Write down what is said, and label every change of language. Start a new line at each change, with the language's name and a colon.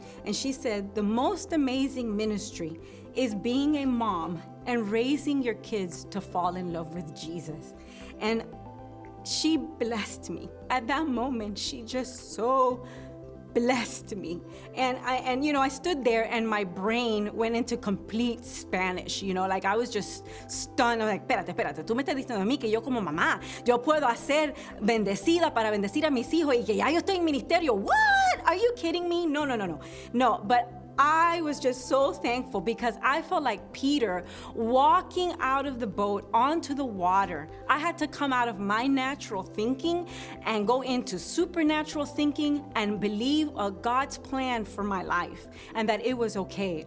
English: And she said, the most amazing ministry is being a mom and raising your kids to fall in love with Jesus. And she blessed me. At that moment, she just so blessed me. And you know, I stood there and my brain went into complete Spanish, you know, like I was just stunned.
Spanish: I'm like, espérate, tú me estás diciendo a mí que yo como mamá, yo puedo hacer bendecida para bendecir a mis hijos y que ya yo estoy en ministerio.
English: What? Are you kidding me? No, but I was just so thankful because I felt like Peter walking out of the boat onto the water. I had to come out of my natural thinking and go into supernatural thinking and believe a God's plan for my life and that it was okay.